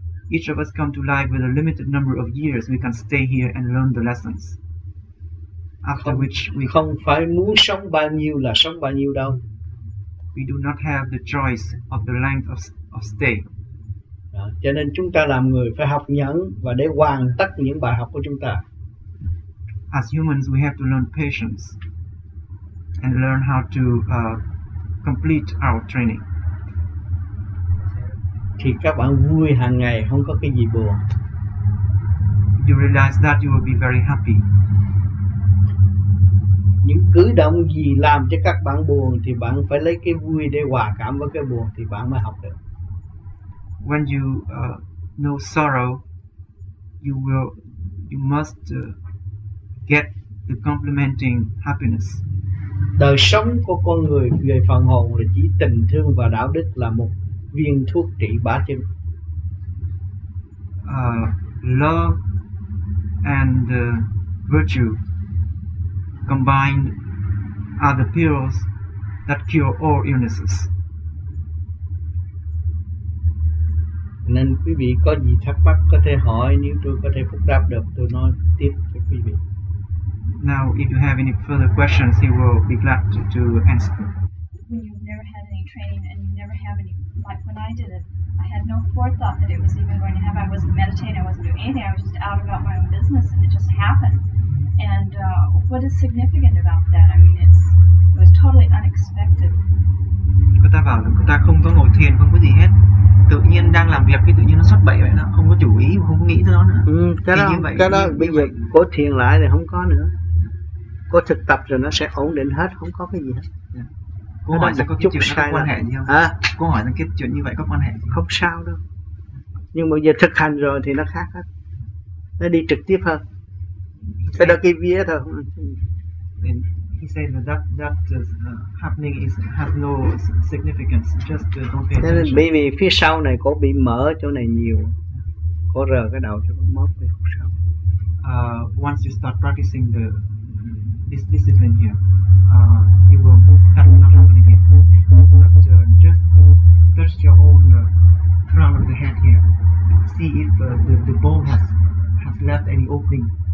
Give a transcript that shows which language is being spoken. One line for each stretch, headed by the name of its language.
English: Each of us come to life with a limited number of years. We can stay here and learn the lessons. After which we
Vietnamese: không phải muốn sống bao nhiêu là sống bao nhiêu đâu.
English: We do not have the choice of the length of stay.
Vietnamese: Cho nên chúng ta làm người phải học nhẫn và để hoàn tất những bài học của chúng ta.
English: As humans, we have to learn patience and learn how to complete our training.
Vietnamese: Thì các bạn vui hàng ngày, không có cái gì buồn.
English: You realize that you will be very happy.
Vietnamese: Những cử động gì làm cho các bạn buồn thì bạn phải lấy cái vui để hòa cảm với cái buồn thì bạn mới học được.
English: When you know sorrow, you must get the complementing happiness.
Vietnamese: Đời sống của con người về phần hồn là chỉ tình thương và đạo đức là một viên thuốc trị bá chứng.
English: Love and virtue combined are the pills that cure all illnesses.
Vietnamese: Nên quý vị có gì thắc mắc có thể hỏi, nếu tôi có thể phục đáp được tôi nói tiếp cho quý vị.
English: Now if you have any further questions, he will be glad to answer them. When you've never had any training and you never have any, like when I did it, I had no forethought that it was even going to happen. I wasn't meditating, I wasn't doing anything, I was just out about my own business and it just happened. And what is significant about that? I mean, it was totally unexpected.
Vietnamese: Cô ta bảo là cô ta không có ngồi thiền, không có gì hết. Tự nhiên đang làm việc thì tự nhiên nó xuất bậy vậy đó, không có chủ ý, không nghĩ tới nó nữa. Cái đó bây giờ cố thiền lại thì không có nữa. Cố thực tập rồi nó sẽ ổn định hết, không có cái gì hết. Cô hỏi là có cái chuyện có quan hệ gì không? À? Cô hỏi là cái chuyện như vậy có quan hệ gì? Không sao đâu. Nhưng mà giờ thực hành rồi thì nó khác hết. Nó đi trực tiếp hơn. Cái đó cái vía thôi.
English: He said that happening is has no significance. Just don't pay attention.
Vietnamese: Bởi vì phía sau này có bị mở chỗ này nhiều, có rờ cái đầu cho nó móp thì không sao.
English: Once you start practicing this discipline here, it will that will not happen again. But just touch your own crown of the head here, see if the bone has left any opening.